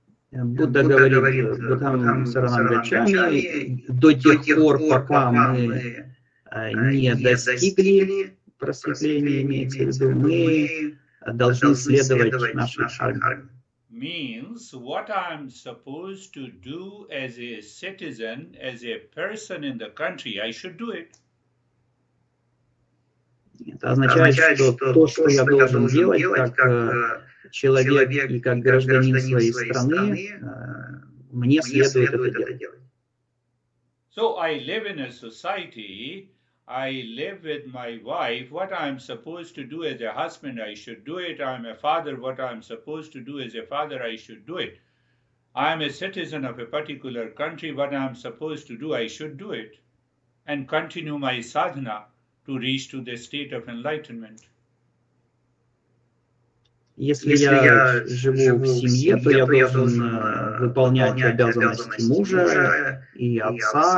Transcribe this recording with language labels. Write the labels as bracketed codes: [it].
[ru] Будда говорит, [pi] Будда Сарана Гачами, [ru] до тех пор, пока мы не достигли просветления, имеется в виду, мы должны следовать нашей шарме. [en] Means what I am supposed to do as a citizen, as a person in the country, I should do it. [ru] Это означает, что то, что я должен делать как человек и как гражданин своей страны, мне следует это делать. [en] So I live in a society, I live with my wife, what I'm supposed to do as a husband, I should do it. I'm a father, what I'm supposed to do as a father, I should do it. I'm a citizen of a particular country, what I'm supposed to do, I should do it. And continue my sadhana to reach to the state of enlightenment. [ru] Если я живу в семье, то я должен выполнять обязанности мужа и отца.